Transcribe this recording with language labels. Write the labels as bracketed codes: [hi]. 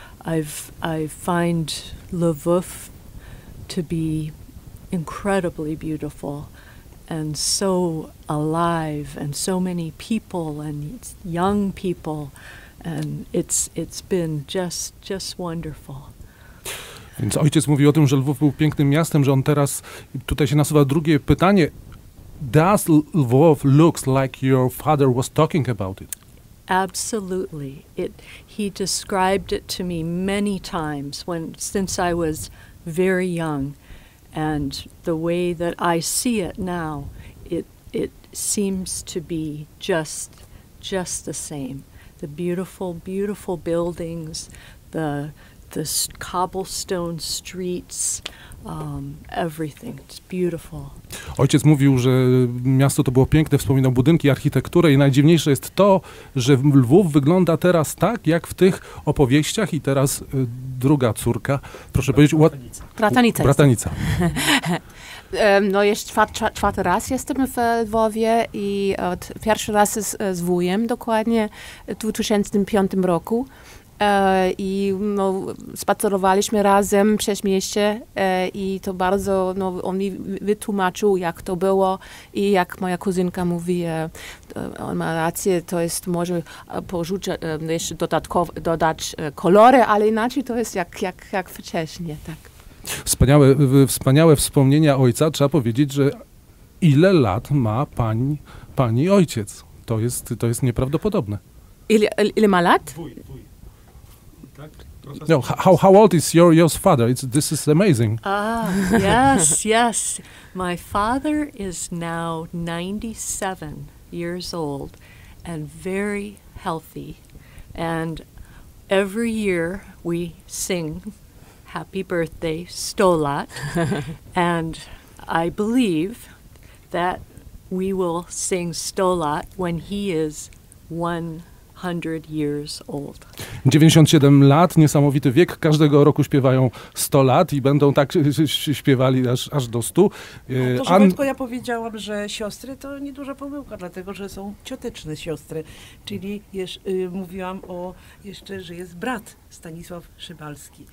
[en] I find Lwów to be incredibly beautiful, and so alive, and so many people, and young people, and it's been just wonderful. [pl] Więc ojciec mówi o tym, że Lwów był pięknym miastem, że on teraz, tutaj się nasuwa drugie pytanie, [en] does Lwów looks like your father was talking about it? Absolutely. He described it to me many times since I was very young. And the way that I see it now, it seems to be just the same. The beautiful, beautiful buildings, the cobblestone streets, Everything. It's beautiful. [pl] Ojciec mówił, że miasto to było piękne, wspominał budynki, architekturę i najdziwniejsze jest to, że Lwów wygląda teraz tak, jak w tych opowieściach i teraz druga córka, proszę powiedzieć, Bratanica. No już czwarty raz jestem w Lwowie i od pierwszy raz z wujem dokładnie w 2005 roku. I no, spacerowaliśmy razem przez mieście i to bardzo, no, on mi wytłumaczył, jak to było i jak moja kuzynka mówi, on ma rację, to jest może porzucić, jeszcze dodać kolory, ale inaczej to jest jak wcześniej, tak. Wspaniałe wspomnienia ojca, trzeba powiedzieć, że ile lat ma pani ojciec? To jest nieprawdopodobne. Ile ma lat? [en] No, how old is your father? This is amazing. Yes. My father is now 97 years old and very healthy. And every year we sing Happy Birthday Stolat. And I believe that we will sing Stolat when he is 100 years old. [pl] 97 lat, niesamowity wiek. Każdego roku śpiewają 100 lat i będą tak śpiewali aż do 100. Rzadko ja powiedziałam, że siostry to nieduża pomyłka, dlatego że są cioteczne siostry. Czyli mówiłam o jeszcze, że jest brat Stanisław Szybalski.